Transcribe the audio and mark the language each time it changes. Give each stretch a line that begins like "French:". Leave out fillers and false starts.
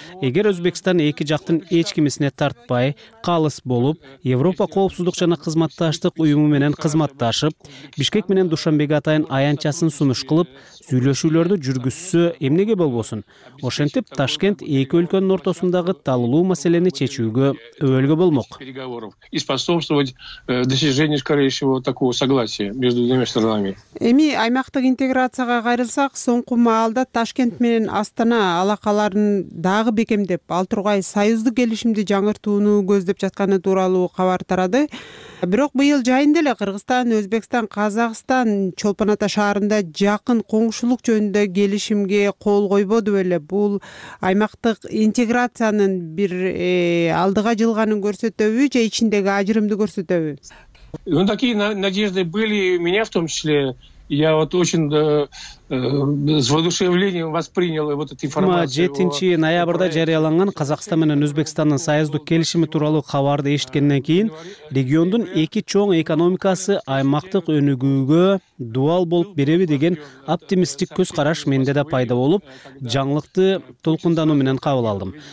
Kyrgyz: Эгер Өзбекстан эки жактын эч кимисине тартпай, калыс болуп, Европа коопсуздук жана кызматташтык уюму менен кызматташып, Бишкек менен Душанбеге атайын аянтчасын сунуш кылып, сүйлөшүүлөрдү жүргүзсө эмнеге болбосун? Ошентип, Ташкент эки өлкөнүн ортосундагы талылуу маселени чечүүгө өбөлгө болмок.
Russian: И способствовать достижению скорейшего такого согласия между двумя сторонами.
Kyrgyz: Эми аймактык интеграцияга кайрылсак, соңку маалда Ташкент менен Астана алакаларын дагы бекемдеп, ал тургай союздук келишимди жаңыртууну көздөп жатканы тууралуу кабар тарады. Бирок быйыл жайында эле Кыргызстан, Өзбекстан, Казакстан Чолпон Ата шаарында жакын коңшулук жөнүндө келишимге кол койбоду беле? Бул аймактык интеграциянын бир алдыга жылганын көрсөтөбү же ичиндеги ажырымды көрсөтөбү?
Russian: Ну, такие надежды были у меня в том числе. Я вот очень с воодушевлением воспринял вот эту информацию.
Kyrgyz: 7 ноябрда жарыяланган Казакстан менен Өзбекстандын союздук келишими тууралуу кабарды эшиткенден кийин региондун эки чоң экономикасы аймактык өнүгүүгө дубал болуп береби деген оптимисттик көз караш менде да пайда болуп, жаңылыкты толкундануу менен кабыл алдым.